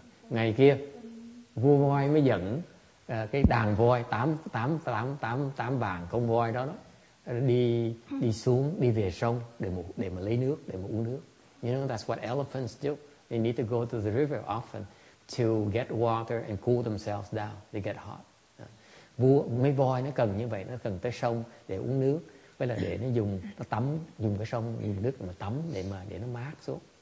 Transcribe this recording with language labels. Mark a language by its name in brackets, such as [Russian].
[Vietnamese] Ngày kia vua voi mới dẫn cái đàn voi 8 vạn con voi đó đi xuống, đi về sông để mà lấy nước, để mà uống nước. [English] You know, that's what elephants do. They need to go to the river often to get water and cool themselves down. They get hot. [Vietnamese] Mấy voi nó cần như vậy, nó cần tới sông để uống nước, với là để nó dùng, nó tắm, dùng cái sông, dùng nước mà tắm để nó mát xuống.